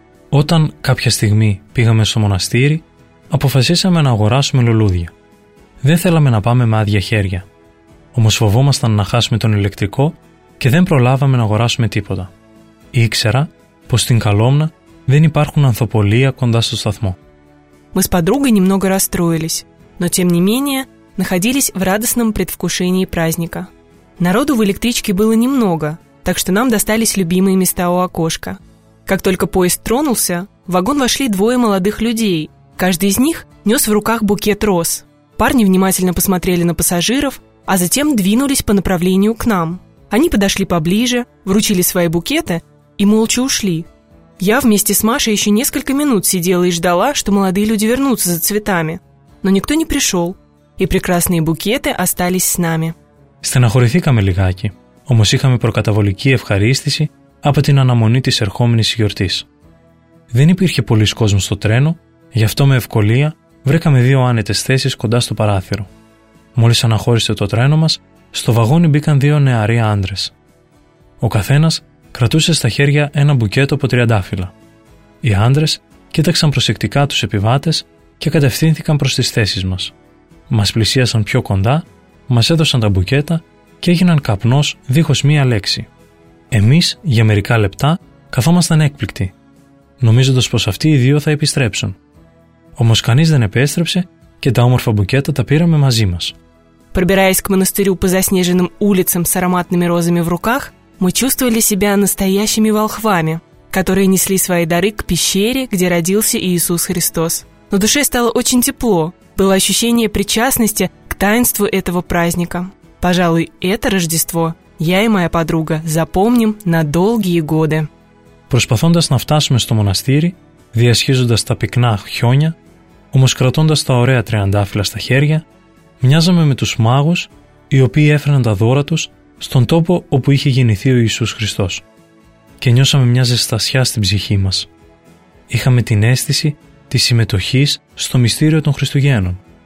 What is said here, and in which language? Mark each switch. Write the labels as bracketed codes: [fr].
[el] Όταν κάποια στιγμή πήγαμε στο μοναστήρι, αποφασίσαμε να αγοράσουμε λουλούδια. Δεν θέλαμε να πάμε με άδεια χέρια. Όμως φοβόμασταν να χάσουμε τον ηλεκτρικό και δεν προλάβαμε να αγοράσουμε τίποτα. Ήξερα πως στην Καλόμνα δεν υπάρχουν ανθοπολία κοντά στο σταθμό. [ru] Мы с подругой немного расстроились, но тем не менее находились в радостном предвкушении праздника. Народу в электричке было немного, так что нам достались любимые места у окошка. Как только поезд тронулся, в вагон вошли двое молодых людей. Каждый из них нес в руках букет роз. Парни внимательно посмотрели на пассажиров, а затем двинулись по направлению к нам. Они подошли поближе, вручили свои букеты и молча ушли. Я вместе с Машей еще несколько минут сидела и ждала, что молодые люди вернутся за цветами. Но никто не пришел. И прекрасные букеты остались с нами. [el] Στεναχωρηθήκαμε λιγάκι, όμως είχαμε προκαταβολική ευχαρίστηση από την αναμονή της ερχόμενης γιορτής. Δεν υπήρχε πολλής κόσμος στο τρένο, γι' αυτό με ευκολία βρήκαμε δύο άνετες θέσεις κοντά στο παράθυρο. Μόλις αναχώρησε το τρένο μας, στο βαγόνι μπήκαν δύο νεαροί άντρες. Ο καθένας κρατούσε στα χέρια ένα μπουκέτο από τριαντάφυλλα. Οι άντρες κοίταξαν προσεκτικά τους επιβάτες και κατευθύνθηκαν προς τις θέσεις μας. Μας πλησίασαν πιο κοντά, μας έδωσαν τα μπουκέτα και έγιναν καπνός δίχως μία λέξη. Εμείς, για μερικά λεπτά, καθόμασταν έκπληκτοι, νομίζοντας πως αυτοί οι δύο θα επιστρέψουν. Όμως κανείς δεν επέστρεψε και τα όμορφα μπουκέτα τα πήραμε μαζί μας. [ru] Пробираясь к монастырю по заснеженным улицам с ароматными розами в руках, мы чувствовали себя настоящими волхвами, которые несли свои дары к пещере, где родился Иисус Христос. На душе стало очень тепло. Было ощущение причастности к таинству этого праздника. Пожалуй, это Рождество я и моя подруга запомним на долгие годы. [el] Προσπαθώντας να φτάσουμε στο μοναστήρι, διασχίζοντας τα πυκνά χιόνια, όμως κρατώντας τα ωραία τριαντάφυλλα στα χέρια, μοιάζαμε με τους μάγους, οι οποίοι έφεραν τα δώρα τους στον τόπο όπου είχε γεννηθεί ο Ιησούς Χριστός. Και νιώσαμε μια ζεστασιά στην ψυχή μας. Είχαμε την αίσθηση της συμμετοχής στο μυστήριο των Χριστουγέννων.